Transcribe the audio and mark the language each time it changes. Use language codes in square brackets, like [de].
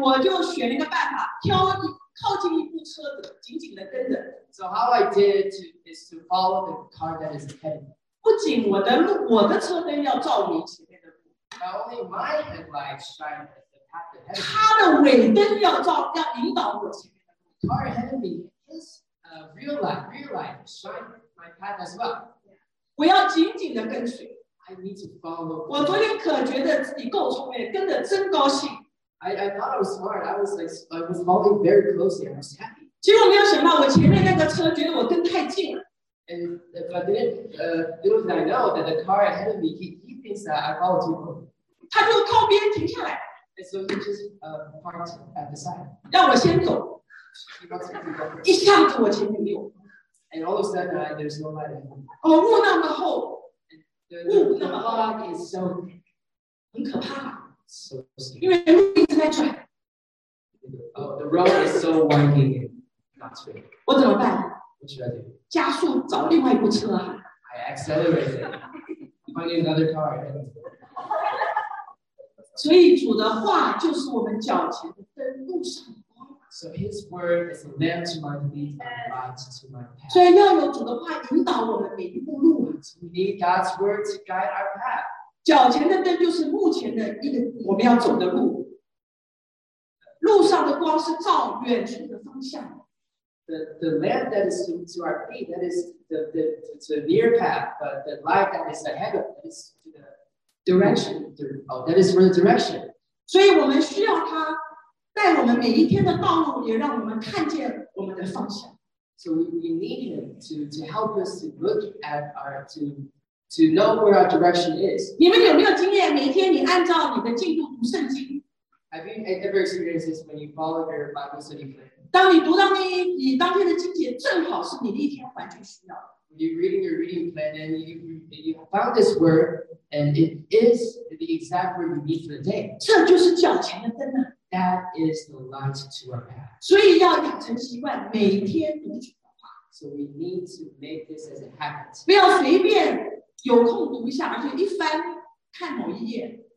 [zh] 我就选了一个办法，挑靠近一部车子，紧紧的跟着。 [en] So how I did to is to follow the car that is ahead. [zh] 不仅我的车灯要照明前面的路。 [en] Not only my headlights shine at the path ahead. [zh] 他的尾灯要引导我前面的路。 [en] Car ahead of me is a real light shine my path as well. [zh] 我要紧紧的跟随。 [en] I need to follow. [zh] 我昨天可觉得自己够聪明，跟得真高兴。 [en] I thought I was smart. I was following very closely. I was happy. [zh] 结果没有想到，我前面那个车觉得我跟太近了。 [en] And but then, little did I know that the car ahead of me, he thinks that I follow too close. [zh] 他就靠边停下来。 [en] And so he just parked at the side. [zh] 让我先走。一下子我前面没有。 [en] And all of a sudden, there's no light ahead. [zh] 哦，雾那么厚。 [en] The road is so thick. [zh] 很可怕。 [en] So scary. [zh] 因为路一直在转。 [en] Oh, the road is so winding. That's right. [zh] 我怎么办？ [en] What should I do? [zh] 加速找另外一部车。 [en] I accelerated. Find another car. [zh] 所以主的话就是我们脚前的灯，路上的光。 [en] So His word is a lamp to my feet and a light to my path. [zh] 所以要有主的话引导我们每一步路。 [en] We need God's word to guide our path. [zh] 脚前的灯就是目前的一个我们要走的路。路上的光是照远处的方向。 [en] The lamp that is to our feet, that is the near path, but the light that is ahead of us to the direction. That is for the direction. [zh] 所以我们需要它带我们每一天的道路，也让我们看见我们的方向。 [en] So we need Him to help us to look at our to know where our direction is. [zh] 你们有没有经验每天你按照你的进度读圣经？ [en] Have you ever experienced this when you follow your Bible study plan? [zh] 当你读到你当天的经节正好是你的一天完全需要。 [en] When you're reading your reading plan and you found this word and it is the exact word you need for the day. [zh] 这就是脚前的灯啊。 [en] That is the light to our path. [zh] 所以要养成习惯，每天读主的话。 [en] So we need to make this as a habit. [zh] 不要随便有空读一下，而且一翻看某一页。